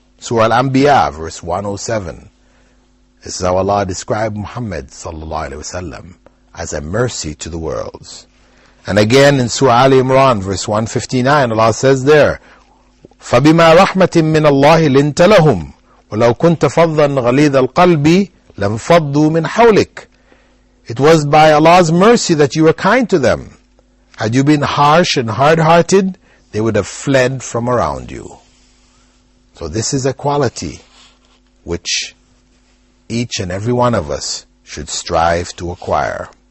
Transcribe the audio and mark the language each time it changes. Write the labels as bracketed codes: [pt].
[en] Surah Al-Anbiya, verse 107. This is how Allah described Muhammad sallallahu alayhi wa sallam, as a mercy to the worlds. And again in Surah Ali Imran, verse 159, Allah says there, [ar] "فَبِمَا رَحْمَةٍ مِّنَ اللَّهِ لِنْتَ لَهُمْ ولو كنت فظا غليظ القلب لانفضوا من حولك. [en] It was by Allah's mercy that you were kind to them. Had you been harsh and hard-hearted, they would have fled from around you. So this is a quality which each and every one of us should strive to acquire.